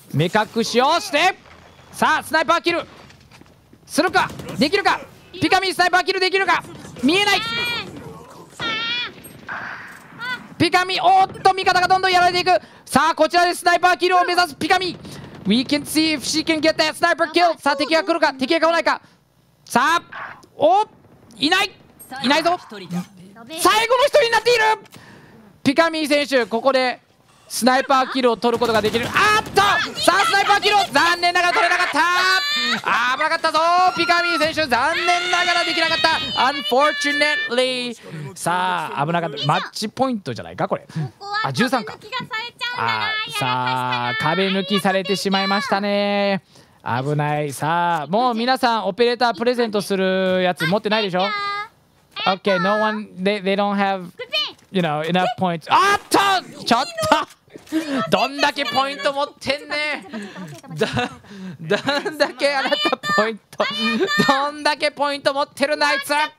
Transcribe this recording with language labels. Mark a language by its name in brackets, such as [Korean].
[Japanese] 目隠しをして、さあスナイパーキルするか、できるか、ピカミースナイパーキルできるか、見えない、ピカミー、おーっと味方がどんどんやられていく。さあこちらでスナイパーキルを目指すピカミー。 [English] We can see if she can get that sniper kill。 [Japanese] さあ敵が来るか、敵が来ないか。さあ、おー、いない、いないぞ、最後の一人になっている。ピカミー選手ここでスナイパーキルを取ることができる。あっと、さあスナイパーキルを残念ながら取れなかった。危なかったぞピカミー選手、残念ながらできなかった。 [English] Unfortunately。 [Japanese] さあ危なかった。マッチポイントじゃないかこれ。あ、13か。あ、さあ壁抜きされてしまいましたね。危ない。さあもう皆さんオペレータープレゼントするやつ持ってないでしょ。 [English] OK、 No one they don't haveYou know, enough points. [Japanese] あっと、ちょっと、どんだけポイント持ってんね。どんだけあなたポイント、どんだけポイント持ってるなあいつ。